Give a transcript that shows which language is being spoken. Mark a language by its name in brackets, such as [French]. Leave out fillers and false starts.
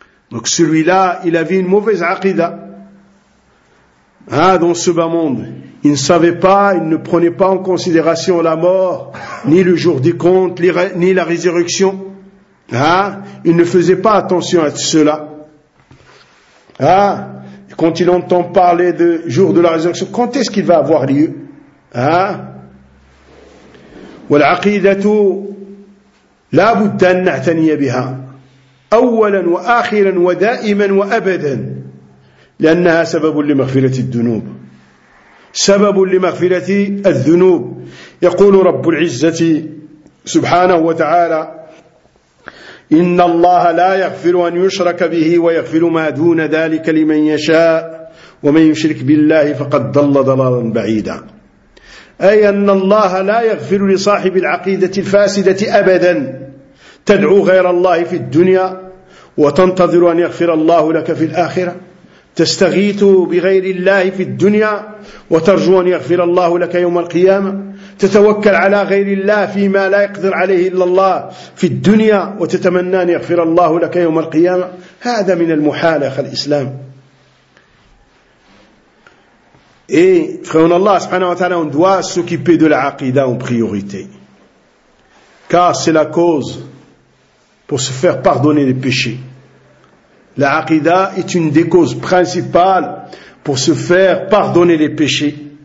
[French] Donc celui-là, il avait une mauvaise aqida. Hein, dans ce bas monde, il ne savait pas, il ne prenait pas en considération la mort, ni le jour des comptes, ni la résurrection. Hein, il ne faisait pas attention à cela. Hein, quand il entend parler de jour de la résurrection, quand est-ce qu'il va avoir lieu? Hein? [Arabic] وَالْعَقِيدَةُ لَا بُدَّ نَعْتَنِيَ بِهَا اولا واخرا ودائما وابدا لانها سبب لمغفره الذنوب، سبب لمغفره الذنوب. يقول رب العزه سبحانه وتعالى ان الله لا يغفر ان يشرك به ويغفر ما دون ذلك لمن يشاء ومن يشرك بالله فقد ضل ضلالا بعيدا، اي ان الله لا يغفر لصاحب العقيده الفاسده ابدا. تدعو غير الله في الدنيا وتنتظر أن يغفر الله لك في الآخرة، تستغيث بغير الله في الدنيا وترجو أن يغفر الله لك يوم القيامة، تتوكل على غير الله فيما لا يقدر عليه إلا الله في الدنيا وتتمنى أن يغفر الله لك يوم القيامة. هذا من المحال أخي الإسلام. فإن الله سبحانه وتعالى [French] on doit s'occuper de l'aqida en priorité car c'est la cause pour se faire pardonner les péchés. La aqida est une des causes principales pour se faire pardonner les péchés.